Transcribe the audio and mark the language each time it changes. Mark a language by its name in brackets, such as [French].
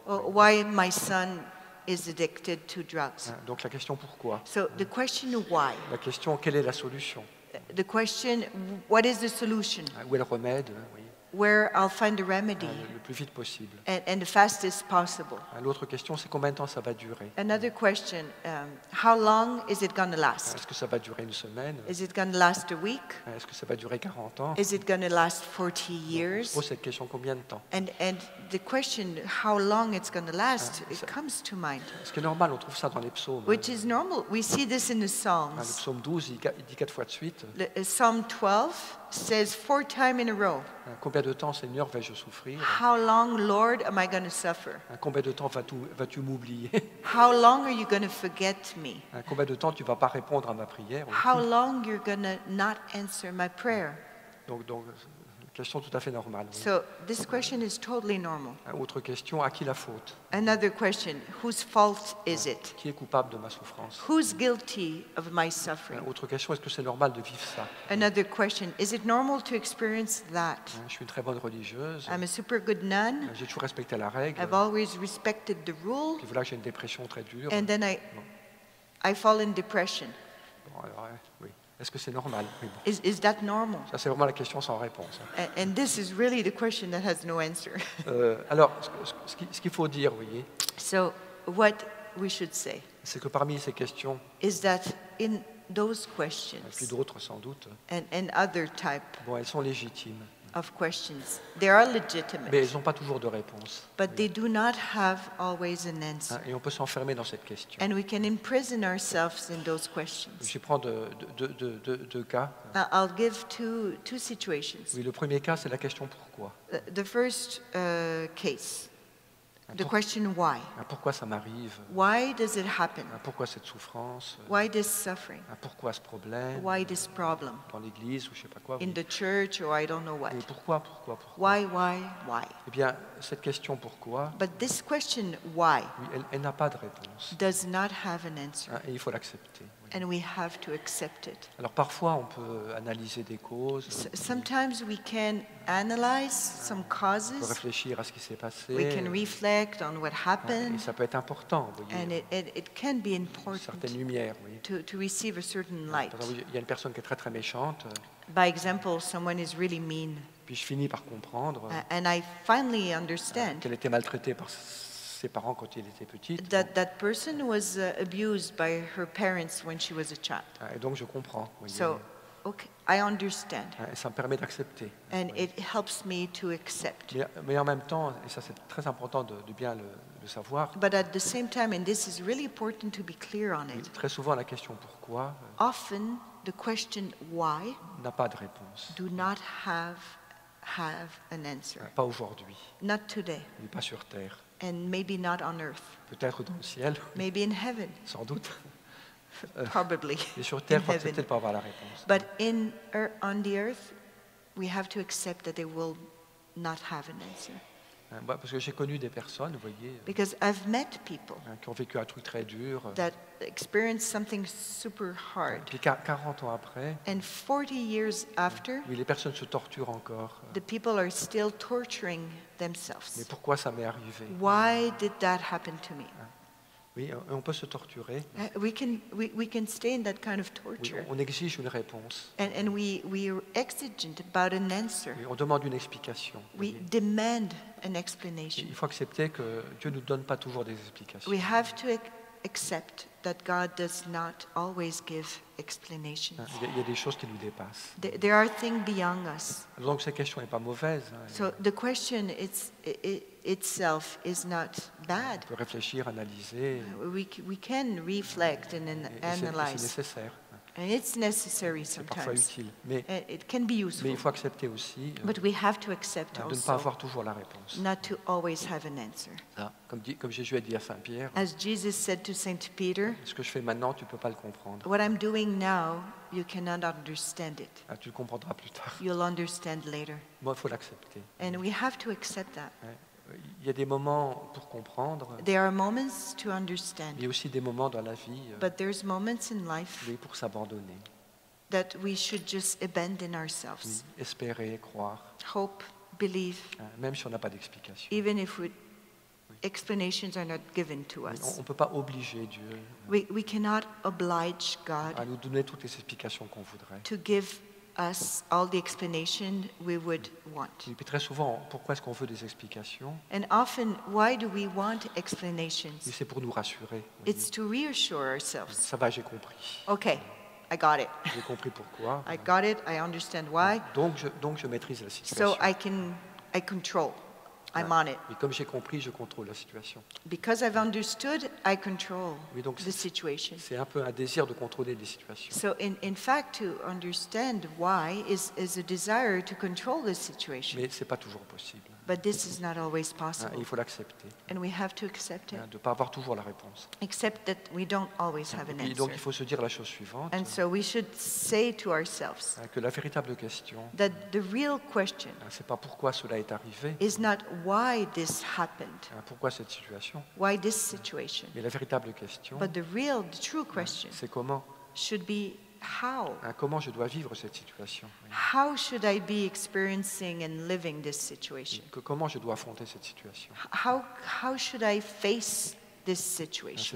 [English] Why my son is addicted to drugs. [French] Donc la question pourquoi? [English] So the question why? [French] La question quelle est la solution? [English] The question what is the solution? [French] Où est le remède? Oui. [English] Where I'll find the remedy? [French] Le plus vite possible. [English] And the fastest possible. [French] L'autre question c'est combien de temps ça va durer? [English] Another question, how long is it going to last? [French] Est-ce que ça va durer une semaine? [English] Is it going to last a week? [French] Est-ce que ça va durer 40 ans? [English] Is it going to last 40 years? [French] On se pose cette question combien de temps? [English] And the question how long it's going to last, it comes to mind. [French] Ce qui est normal, on trouve ça dans les psaumes. [English] Which is normal, we see this in the Psalms. [French] Le psaume 12, il dit 4 fois de suite. [English] Psalm 12 says 4 times in a row. [French] Combien de temps, Seigneur, vais-je souffrir? [English] How long, Lord, am I going to suffer? [French] Combien de temps vas-tu m'oublier? [English] How long are you going to forget me? [French] Combien de temps tu vas pas répondre à ma prière? [English] How long you're going to not answer my prayer? [French] Donc question tout à fait normale. [English] So this question is totally normal. [French] Autre question, à qui la faute? [English] Another question, whose fault is it? [French] Qui est coupable de ma souffrance? [English] Who's guilty of my suffering? [French] Autre question, est-ce que c'est normal de vivre ça? [English] Another question, is it normal to experience that? [French] Je suis une très bonne religieuse. [English] I'm a super good nun. [French] J'ai toujours respecté la règle. [English] I've always respected the rule. [French] Puis voilà, j'ai une dépression très dure. [English] And then I fall in depression. [French] Bon, alors, oui. Est-ce que c'est normal? [English] Is that normal? [French] Ça, c'est vraiment la question sans réponse. [English] And this is really the question that has no answer. [French] Alors, ce qu'il faut dire, vous voyez, [English] so, what we should say, [French] c'est que parmi ces questions, [English] is that in those questions, [French] et puis d'autres sans doute, [English] and other type, [French] bon, elles sont légitimes. [English] Of questions. They are legitimate. [French] Mais elles n'ont pas toujours de réponse. [English] But they do not have always an answer. [French] Et on peut s'enfermer dans cette question. [English] And we can imprison ourselves in those questions. [French] Je vais prendre deux cas. [English] I'll give two situations. [French] Oui, le premier cas, c'est la question pourquoi. [English] The first case. The question why. [French] Pourquoi ça m'arrive? [English] Why does it happen? [French] Pourquoi cette souffrance? [English] Why this suffering? [French] Pourquoi ce problème? [English] Why this problem? [French] Dans l'église ou je sais pas quoi. [English] In the church or I don't know what. [French] Et pourquoi? [English] Why? [French] Eh bien, cette question pourquoi? [English] But this question why. [French] Oui, elle n'a pas de réponse. [English] Does not have an answer. [French] Et il faut l'accepter. [English] And we have to accept it. [French] Alors parfois on peut analyser des causes. [English] Sometimes we can analyze some causes. [French] On peut réfléchir à ce qui s'est passé. [English] We can reflect on what happened. [French] Et ça peut être important, vous voyez. [English] And it can be important. [French] Certaines lumières, oui. [English] To receive a certain light. [French] Par exemple, il y a une personne qui est très très méchante. [English] By example, someone is really mean. [French] Puis je finis par comprendre. [English] And I finally understand. [French] Qu'elle était maltraitée par ses parents quand elle était petite. [English] That person was abused by her parents when she was a child. [French] Et donc je comprends. [English] So, okay, I understand. [French] Et ça me permet d'accepter. [English] And it helps me to accept. [French] Mais en même temps, et ça c'est très important de bien le savoir. [English] But at the same time, and this is really important to be clear on it. [French] Très souvent la question pourquoi. [English] Often the question why. [French] N'a pas de réponse. [English] Do not have an answer. [French] Pas aujourd'hui. [English] Not today. [French] Mais pas sur terre. [English] And maybe not on earth. [French] Peut-être dans le ciel. [English] Maybe in heaven. [French] Sans doute. [English] Probably. [French] Mais sur terre, on ne peut pas avoir la réponse. [English] But on the earth, we have to accept that they will not have an answer. [French] Parce que j'ai connu des personnes, vous voyez, [English] because I've met people [French] qui ont vécu un truc très dur, [English] that experienced something super hard. [French] Et puis 40 ans après, [English] and 40 years after, [French] oui, les personnes se torturent encore. [English] The people are still torturing themselves. [French] Mais pourquoi ça m'est arrivé? [English] Why did that happen to me? [French] Oui, on peut se torturer. [English] We can stay in that kind of torture. [French] Oui, on exige une réponse. [English] And we are exigent about an answer. [French] Oui, on demande une explication. [English] We demand an explanation. [French] Il faut accepter que Dieu ne nous donne pas toujours des explications. [English] We have to accept that God does not always give explanations. [French] Il y a des choses qui nous dépassent. [English] There are things beyond us. [French] Donc cette question n'est pas mauvaise. [English] So the question itself is not bad. [French] On peut réfléchir, analyser. [English] We can reflect and analyze. [French] C'est nécessaire. [English] And it's necessary sometimes. [French] C'est parfois utile. Mais [English] it can be useful. [French] Mais il faut accepter aussi. [English] But we have to accept [French] de ne pas avoir toujours la réponse. [English] Not to always have an answer. [French] Comme Jésus a dit à Saint Pierre. [English] As Jesus said to Saint Peter. [French] Ce que je fais maintenant, tu peux pas le comprendre. [English] What I'm doing now, you cannot understand it. [French] Tu le comprendras plus tard. [English] You'll understand later. [French] Bon, il faut l'accepter. [English] And we have to accept that. [French] Il y a des moments pour comprendre. [English] There are moments to understand. [French] Il y a aussi des moments dans la vie. [English] But there's moments in life. [French] Oui, pour s'abandonner. [English] That we should just abandon ourselves. [French] Oui, espérer, croire. [English] Hope, believe. [French] Même si on n'a pas d'explication. [English] Even if explanations are not given to us. [French] On peut pas obliger Dieu. [English] We cannot oblige God. [French] À nous donner toutes les explications qu'on voudrait. [English] To give us all the explanation we would want. [French] Et puis très souvent, pourquoi est-ce qu'on veut des explications? [English] And often, why do we want explanations? [French] Et c'est pour nous rassurer. [English] It's to reassure ourselves. [French] Ça va, j'ai compris. [English] Okay, I got it. [French] J'ai compris pourquoi. [English] I got it. I understand why. [French] Donc je maîtrise la situation. [English] So I control. I'm on it. [French] Et comme j'ai compris, je contrôle la situation. [English] Because I've understood, I control the situation. [French] C'est un peu un désir de contrôler les situations. [English] So in fact, to understand why is a desire to control the situation. [French] Mais c'est pas toujours possible. [English] But this is not always possible. [French] Il faut l'accepter. [English] And we have to accept it. [French] De pas avoir toujours la réponse. [English] Except that we don't always have an answer. [French] Et donc il faut se dire la chose suivante. [English] And so we should say to ourselves. [French] Que la véritable question. [English] That the real question. [French] C'est pas pourquoi cela est arrivé. [English] Is not why this happened? [French] Pourquoi cette situation? [English] Why this situation? [French] Mais la véritable question. [English] But the true question. [French] C'est comment? [English] Should be how? [French] Comment je dois vivre cette situation? [English] How should I be experiencing and living this situation? [French] Comment je dois affronter cette situation? [English] How should I face this situation?